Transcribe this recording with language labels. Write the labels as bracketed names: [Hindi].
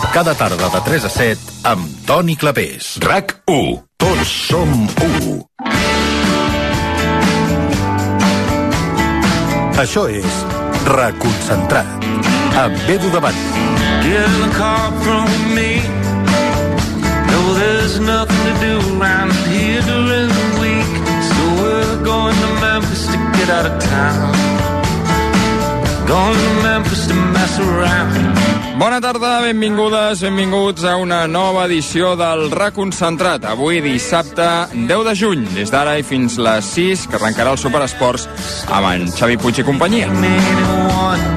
[Catalan] Cada tarda de 3 a 7 amb Toni Clapés. RAC 1. Tots som 1. Això és Reconcentrat, amb Bedu Davant. [English] Get a call from me. No, there's nothing to do around here during the week. So we're going to Memphis to get out of town. Going to Memphis to mess around. [Catalan] Bona tarda, benvingudes, benvinguts a una nova edició del Reconcentrat. Avui, dissabte 10 de juny, des d'ara i fins les 6, que arrencarà el Superesports amb en Xavi Puig i companyia.